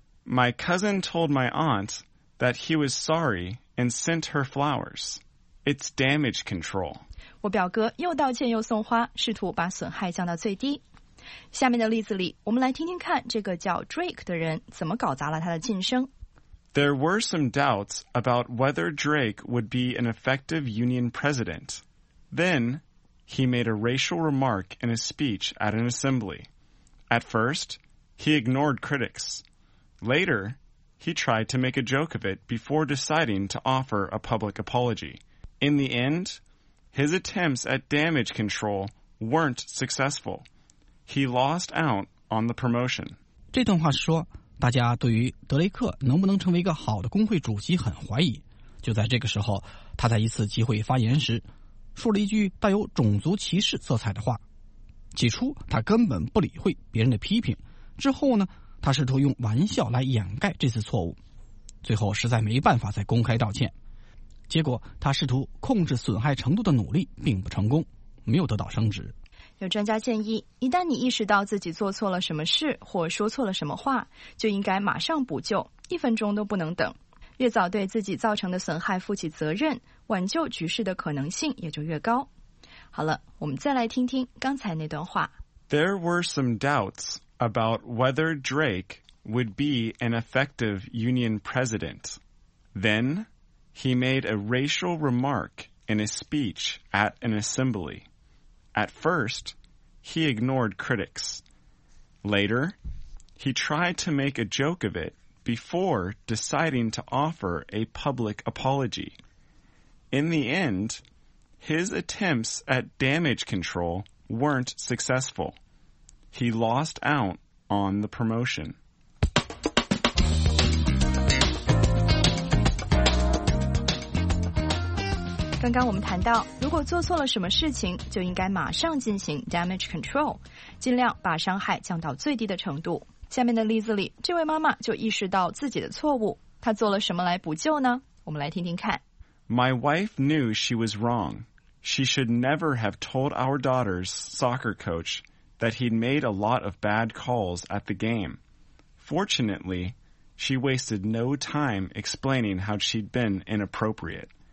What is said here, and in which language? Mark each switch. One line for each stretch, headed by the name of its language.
English: My cousin told my aunt that he was sorryand sent her flowers. It's damage control.
Chinese: 我表哥又道歉又送花，试图把损害降到最低。下面的例子里，我们来听听看这个叫 Drake 的人怎么搞砸了他的晋升。
English: There were some doubts about whether Drake would be an effective union president. Then, he made a racial remark in a speech at an assembly. At first, he ignored critics. Later,He tried to make a joke of it before deciding to offer a public apology. In the end, his attempts at damage control weren't successful. He lost out on the promotion.
Chinese: 这段话说，大家对于德雷克能不能成为一个好的工会主席很怀疑。就在这个时候，他在一次集会发言时，说了一句带有种族歧视色彩的话。起初，他根本不理会别人的批评，之后呢？他试图用玩笑来掩盖这次错误，最后实在没办法再公开道歉。结果他试图控制损害程度的努力并不成功，没有得到升职。有专家建议，一旦你意识到自己做错了什么事或说错了什么话，就应该马上补救，一分钟都不能等。越早对自己造成的损害负起责任，挽救局势的可能性也就越高。好了，我们再来听听刚才那段话。
English: There were some doubts about whether Drake would be an effective union president. Then, he made a racial remark in a speech at an assembly. At first, he ignored critics. Later, he tried to make a joke of it before deciding to offer a public apology. In the end, his attempts at damage control weren't successful. He lost out on the promotion.
Chinese: 刚刚我们谈到，如果做错了什么事情，就应该马上进行 damage control， 尽量把伤害降到最低的程度。下面的例子里，这位妈妈就意识到自己的错误，她做了什么来补救呢？我们来听听看。
English: My wife knew she was wrong. She should never have told our daughter's soccer coach that he'd made a lot of bad calls at the game. Fortunately, she wasted no time explaining how she'd been inappropriate.